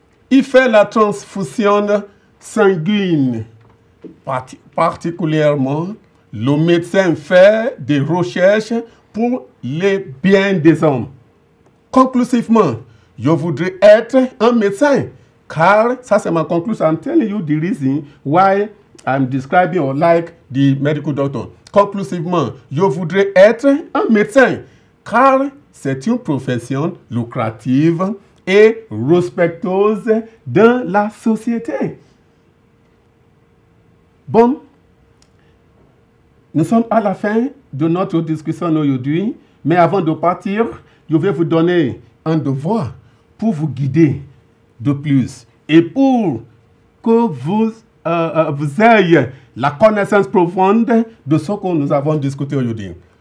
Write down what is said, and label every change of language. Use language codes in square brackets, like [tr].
[fr] Il fait la transfusion sanguine. Particulièrement, le médecin fait des recherches pour le bien des hommes. Conclusivement, je voudrais être un médecin, car ça c'est ma conclusion. [en] I'm telling you the reason why I'm describing or like the medical doctor. [fr] Conclusivement, je voudrais être un médecin, car c'est une profession lucrative et respectueuse dans la société. Bon, nous sommes à la fin de notre discussion aujourd'hui, mais avant de partir, je vais vous donner un devoir pour vous guider de plus et pour que vous ayez la connaissance profonde de ce que nous avons discuté aujourd'hui.